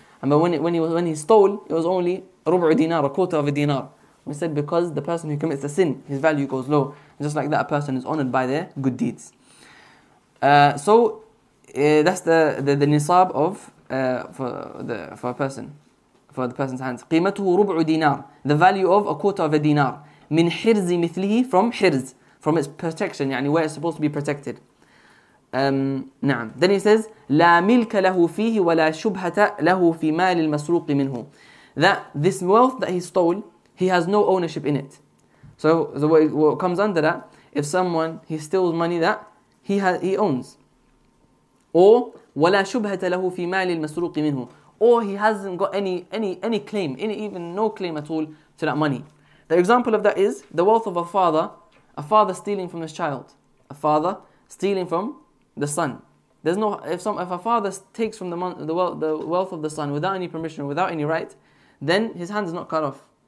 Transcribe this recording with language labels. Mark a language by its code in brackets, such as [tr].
[en] And but when he stole, it was only rub'u dinar, a quarter of a dinar. We said because the person who commits a sin, his value goes low. And just like that, a person is honored by their good deeds. So that's the nisab of for the person's hands. [ar] قيمته ربع دينار. [en] The value of a quarter of a dinar. [ar] من حرز مثله from حرز. [en] From its protection, يعني where it's supposed to be protected. [ar] نعم. [en] Then he says, [ar] لا ملك له فيه ولا شبهة له في مال المسروق منه. [en] That this wealth that he stole, he has no ownership in it. So what comes under that, if someone, he steals money that he owns. Or, [ar] ولا شبهة له في مال المسروق منه. [en] Or he hasn't got any claim, no claim at all to that money. The example of that is the wealth of a father. A father stealing from his child. A father stealing from the son. There's no if a father takes from the wealth of the son without any permission, without any right, then his hand is not cut off.